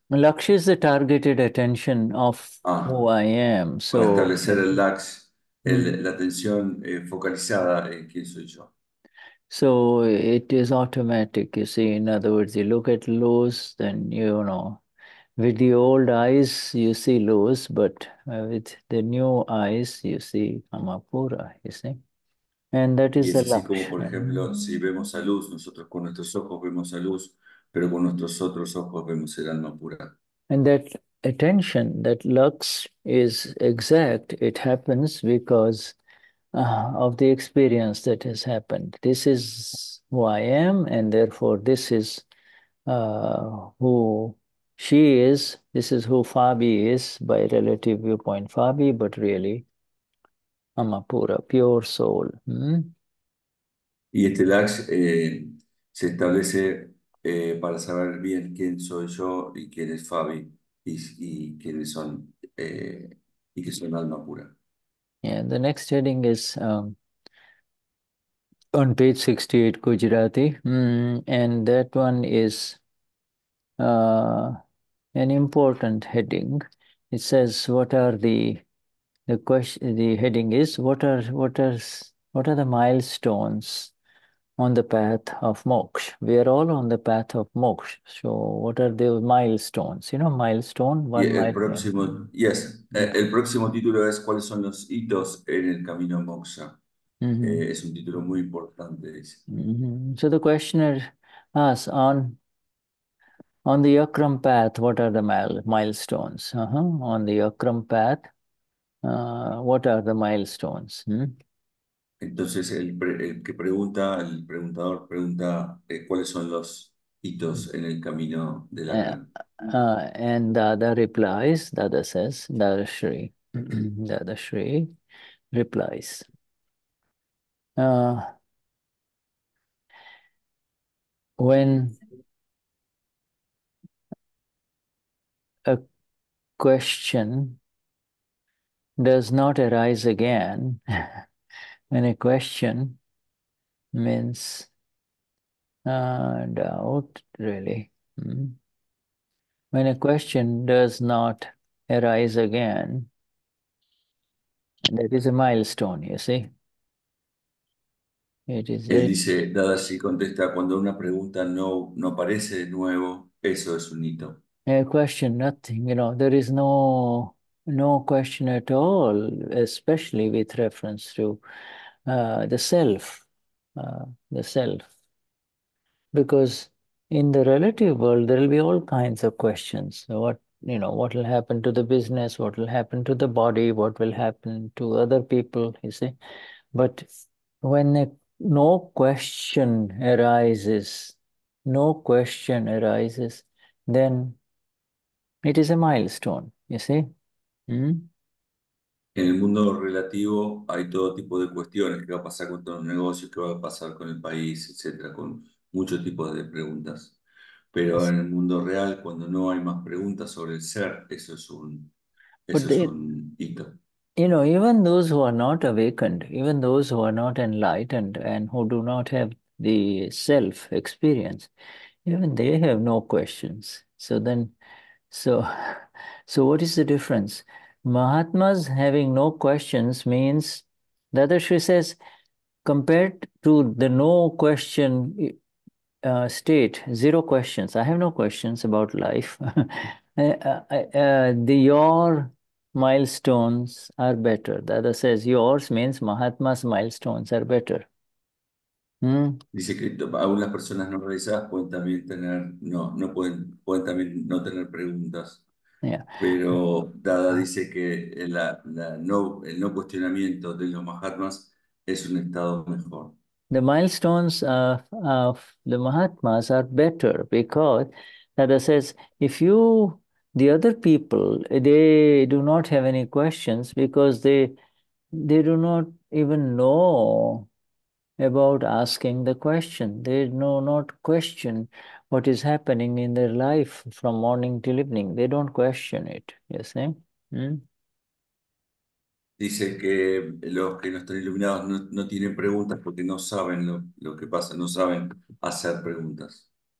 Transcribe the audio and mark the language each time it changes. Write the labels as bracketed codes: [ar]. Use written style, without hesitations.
[en] Lux is the targeted attention of who I am. So [es] para establecer el lux, la atención focalizada en quién soy yo. [en] So it is automatic, you see. In other words, you look at Luz, then you know, with the old eyes you see Luz, but with the new eyes you see Amapura, you see. And that is the lux. [es] Como por ejemplo, si vemos a Luz, nosotros con nuestros ojos vemos a Luz, pero con nuestros otros ojos vemos el alma pura. [en] And that attention, that lux is exact, it happens because of the experience that has happened. This is who I am, and therefore this is who she is, this is who Fabi is, by relative viewpoint Fabi, but really Amapura, pure soul. [es] Y este lux se establece para saber bien quién soy yo y quién es Fabi y quiénes son y qué son alma pura. [en] Yeah, the next heading is on page 68 Gujarati, and that one is an important heading. It says, what are the question, the heading is, what are the milestones on the path of moksha? We are all on the path of moksha, so what are the milestones, you know, milestone, one, yeah, milestone. [es] Próximo, [en] yes, yeah. [es] El próximo título es cuáles son los hitos en el camino moksha. Es un título muy importante. [en] So the questioner asks, on the Akram path, what are the milestones? On the Akram path, what are the milestones? [es] Entonces, el que pregunta, el preguntador pregunta, ¿cuáles son los hitos en el camino de la [en] And Dada replies, Dada says, Dadashri, Dadashri replies. When a question does not arise again, when a question means doubt, really. When a question does not arise again, that is a milestone, you see. It is [es] Él dice, Dada si contesta, cuando una pregunta no aparece de nuevo, eso es un hito. [en] A question, nothing, you know, there is no question at all, especially with reference to the self, because in the relative world there will be all kinds of questions. What, you know, what will happen to the business, what will happen to the body, what will happen to other people, you see. But when no question arises, no question arises, then it is a milestone, you see. [es] En el mundo relativo hay todo tipo de cuestiones, qué va a pasar con todos los negocios, qué va a pasar con el país, etcétera, con muchos tipos de preguntas. Pero en el mundo real, cuando no hay más preguntas sobre el ser, eso es un hito. [en] You know, even those who are not awakened, even those who are not enlightened and who do not have the self experience, even they have no questions. So what is the difference? Mahatmas having no questions means, Dadashri says, compared to the no question state, zero questions, I have no questions about life, your milestones are better. Dada says, yours means Mahatma's milestones are better. [es] Dice que aún las personas no realizadas pueden también tener, pueden también no tener preguntas. [en] Yeah. [es] Pero Dada dice que el no cuestionamiento de los Mahatmas es un estado mejor. [en] The milestones of the Mahatmas are better because Dada says, if you, the other people, they do not have any questions because they do not even know about asking the question. They know not question what is happening in their life from morning till evening. They don't question it. You see? [es] Dice que los que no están iluminados no tienen preguntas porque no saben lo que pasa, no saben hacer preguntas.